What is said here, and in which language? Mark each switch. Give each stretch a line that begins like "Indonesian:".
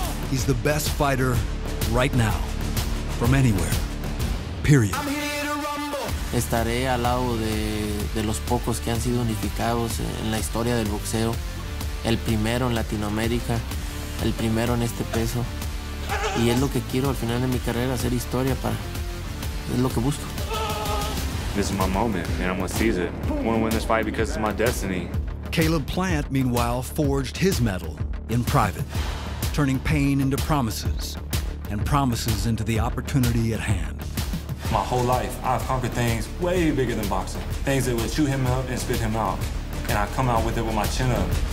English: He's the best fighter right now, from anywhere, period. I'm here to rumble.
Spanish: estaré al lado de los pocos que han sido unificados en la historia del boxeo. El primero en Latinoamérica, el primero en este peso. Y es lo que quiero al final de mi carrera, hacer historia para... Es lo que busco.
English: This is my moment, and I'm gonna seize it. I wanna win this fight because it's my destiny. Caleb Plant, meanwhile, forged his medal in private, turning pain into promises, and promises into the opportunity at hand. My whole life, I've conquered things way bigger than boxing, things that would chew him up and spit him out, and I come out with it with my chin up.